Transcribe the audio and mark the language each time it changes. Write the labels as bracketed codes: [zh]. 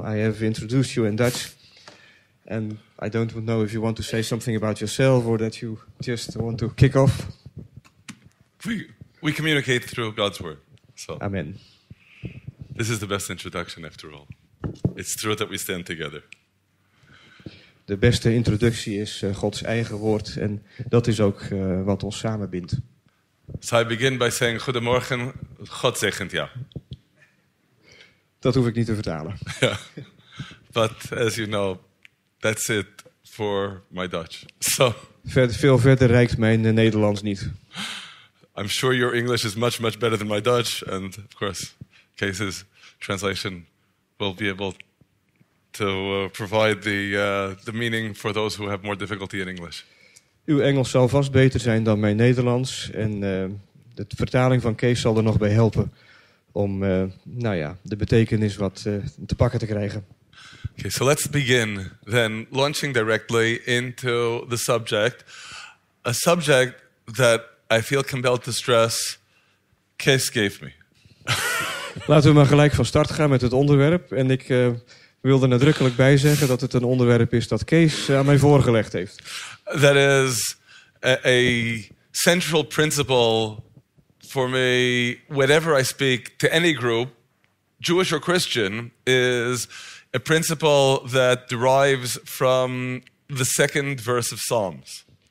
[en] I have introduced you in Dutch. And I don't know if you want to say something about yourself or that you just want to kick off. We communicate through God's word. So. Amen. This is the best introduction after all. It's true that we stand together. [nl] De beste introductie is Gods eigen woord en dat is ook wat ons samenbindt. [en] So I begin by saying [nl] goedemorgen, God zegent ja. Dat hoef ik niet te vertalen. [en] But as you know, that's it for my Dutch. So. [nl] Veel verder reikt mijn Nederlands niet. [en] I'm sure your English is much, much better than my Dutch. And of course, Kees's translation will be able to provide the meaning for those who have more difficulty in English. [nl] Uw Engels zal vast beter zijn dan mijn Nederlands. En de vertaling van Kees zal er nog bij helpen om de betekenis wat te pakken te krijgen. [en] Okay, so let's begin then launching directly into the subject. A subject that I feel compelled to stress, Kees gave me. [nl] Laten we maar gelijk van start gaan met het onderwerp. En ik wil er nadrukkelijk bij zeggen dat het een onderwerp is dat Kees aan mij voorgelegd heeft. [en] That is a central principle for me, whenever I speak to any group, Jewish or Christian, is a principle that derives from the second verse of Psalms.